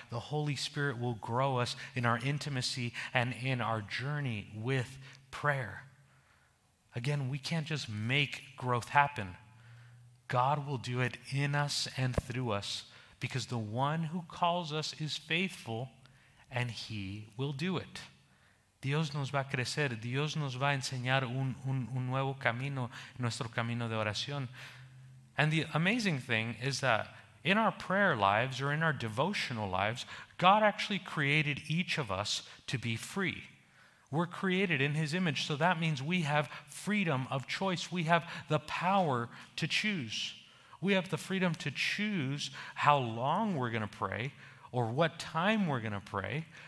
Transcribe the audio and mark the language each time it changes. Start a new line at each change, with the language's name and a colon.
English: The Holy Spirit will grow us in our intimacy and in our journey with prayer. Again, we can't just make growth happen. God will do it in us and through us because the one who calls us is faithful and he will do it.
Spanish: Dios nos va a crecer, Dios nos va a enseñar un nuevo camino, nuestro camino de oración.
English: And the amazing thing is that in our prayer lives or in our devotional lives, God actually created each of us to be free. We're created in his image, so that means we have freedom of choice. We have the power to choose. We have the freedom to choose how long we're going to pray or what time we're going to pray.